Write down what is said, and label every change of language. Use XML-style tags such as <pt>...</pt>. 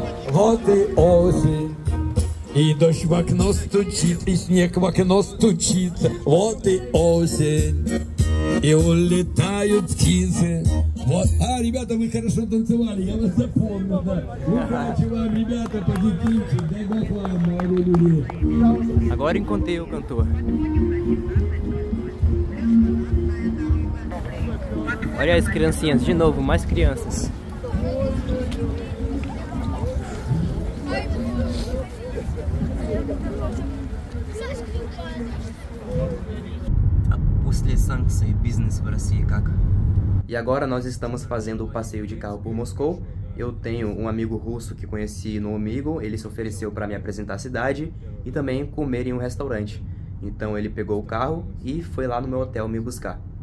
<ru>Вот и осень. И дождь в окно стучит, и снег в окно стучит. Вот и осень. И улетают птицы. Вот. А, ребята, вы хорошо танцевали. Я вас запомнил. Да. Удачи вам, ребята, позитивчи. Дай Бог вам, молодой люди.</ru> <pt>Agora encontrei o cantor. Olha as criancinhas, de novo, mais crianças.</pt> <ru>После санкций бизнес в России как?</ru> <pt>E agora nós estamos fazendo o passeio de carro por Moscou. Eu tenho um amigo russo que conheci no Omigo, ele se ofereceu para me apresentar a cidade e também comer em um restaurante. Então ele pegou o carro e foi lá no meu hotel me buscar.</pt>